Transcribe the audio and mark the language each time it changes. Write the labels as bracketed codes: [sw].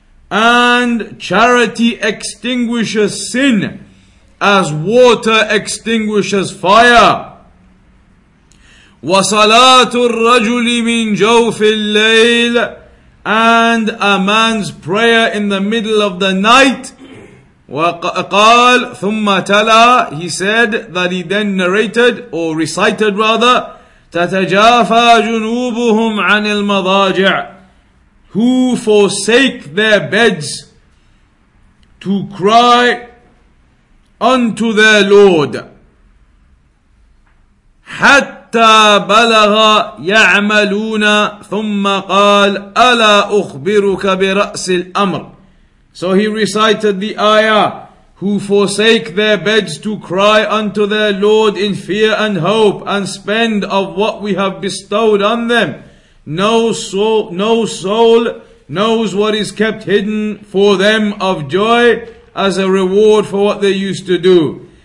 [en] And charity extinguishes sin as water extinguishes fire. [ar] Wa-salatu ar-rajuli min jawfi al-layl, [en] and a man's prayer in the middle of the night. [ar] وقال ثم تلا, [en] he said that he then narrated or recited rather, [ar] تتجافى جنوبهم عن المضاجع, [en] who forsake their beds to cry unto their Lord, [ar] حتى بلغ يعملون ثم قال ألا أخبرك برأس الأمر. [en] So he recited the ayah, who forsake their beds to cry unto their Lord in fear and hope, and spend of what we have bestowed on them. No soul knows what is kept hidden for them of joy as a reward for what they used to do.